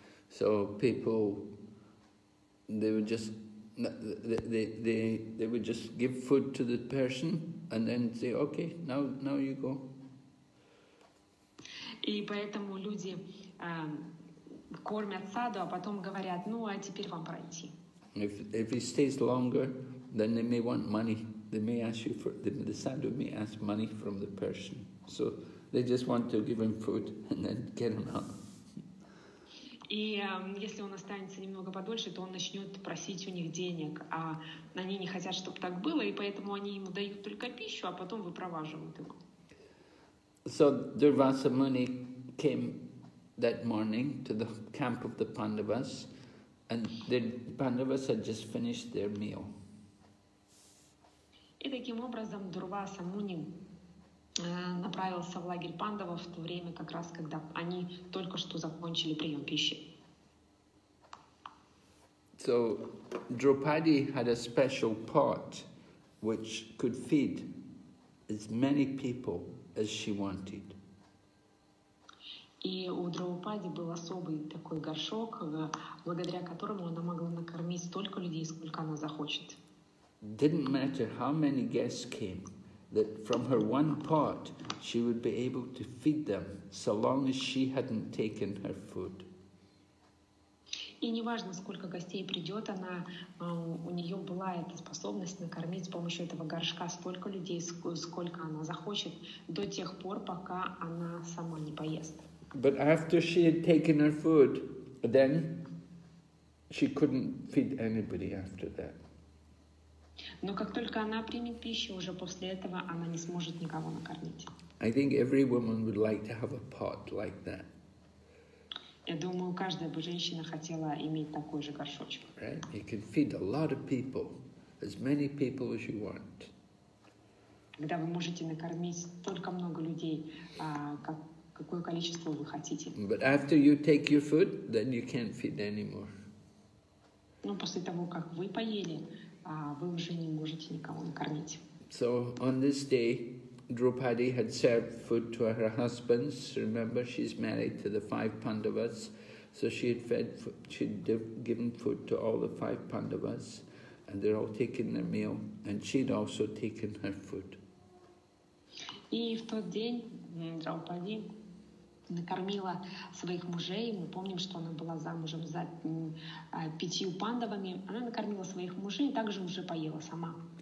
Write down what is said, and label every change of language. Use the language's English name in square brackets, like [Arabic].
[English] So people, they would just give food to the person and then say, okay, now you go. [Russian] И поэтому люди кормят саду, а потом говорят, ну, а теперь вам пройти. [English] If he stays longer, then they may want money. They may ask you for, the sadhu may ask money from the person. So they just want to give him food and then get him out. [Russian] И если он останется немного подольше, то он начнет просить у них денег, а они не хотят, чтобы так было, и поэтому они ему дают только пищу, а потом выпроваживают его. [English] So Durvasa Muni came that morning to the camp of the Pandavas, and the Pandavas had just finished their meal. [Russian] И таким образом Дурваса Муни направился в лагерь Пандавов в то время, как раз когда они только что закончили прием пищи. [English] So Draupadi had a special pot which could feed as many people as she wanted. [Russian] И у Драупади был особый такой горшок, благодаря которому она могла накормить столько людей, сколько она захочет. [English] Didn't matter how many guests came, that from her one pot she would be able to feed them so long as she hadn't taken her food. [Russian] И неважно, сколько гостей придет, она у нее была эта способность накормить с помощью этого горшка столько людей, сколько она захочет, до тех пор, пока она сама не поест. [English] But after she had taken her food, then she couldn't feed anybody after that. [Russian] Но как только она примет пищу, уже после этого она не сможет никого накормить. [English] I think every woman would like to have a pot like that. [Russian] Я думаю, каждая бы женщина хотела иметь такой же горшочек. [English] Right? You can feed a lot of people, as many people as you want. [Russian] Когда вы можете накормить столько много людей, какое количество вы хотите. [English] But after you take your food, then you can't feed anymore. [Russian] Ну, после того, как вы поели, вы уже не можете никого накормить. [English] So on this day, Draupadi had served food to her husbands. Remember, she's married to the five Pandavas, so she had fed, given food to all the five Pandavas, and they're all taking their meal, and she'd also taken her food. [Russian] И в тот день Драупади накормила своих мужей. Мы помним, что она была замужем за пятью Пандавами. Она накормила своих мужей и также уже поела сама.